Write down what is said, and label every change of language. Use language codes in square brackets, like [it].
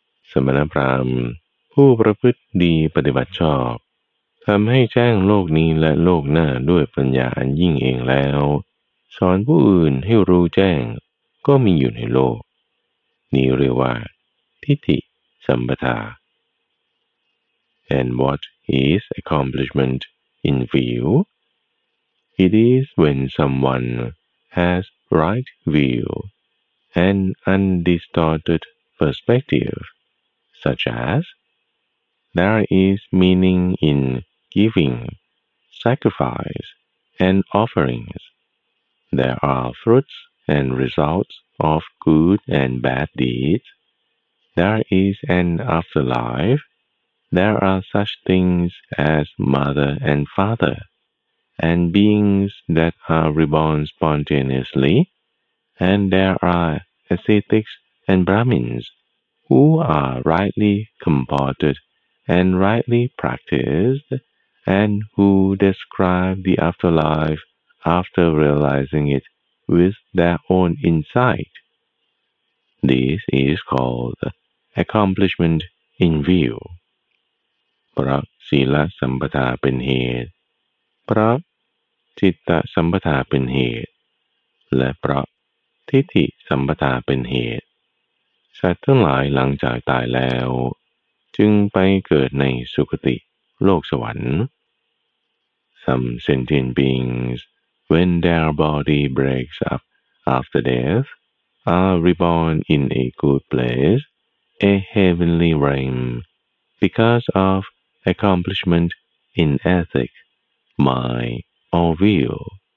[th] สมณพราหมณ์ผู้ประพฤติดีปฏิบัติชอบทำให้แจ้งโลกนี้และโลกหน้าด้วยปัญญาอันยิ่งเองแล้วสอนผู้อื่นให้รู้แจ้งก็มีอยู่ในโลกนี้เรียกว่าทิฏฐิสัมปทา [en] And what is accomplishment in view? It is when someone has right view, an undistorted perspective, such as, there is meaning in giving, sacrifice, and offerings. There are fruits and results of good and bad deeds. There is an afterlife. There are such things as mother and father, and beings that are reborn spontaneously, and there are ascetics and Brahmins who are rightly comported and rightly practiced, and who describe the afterlife after realizing it with their own insight. This is called accomplishment in view. [th] เพราะศีลสัมปทาเป็นเหตุเพราะจิตตสัมปทาเป็นเหตุและเพราะทิฏฐิสัมปทาเป็นเหตุ สัตว์ทั้งหลายหลังจากตายแล้วจึงไปเกิดในสุคติโลกสวรรค์ [en] Some sentient beings, when their body breaks up after death, are reborn in a good place, a heavenly realm, because ofaccomplishment in ethic, mind, or will.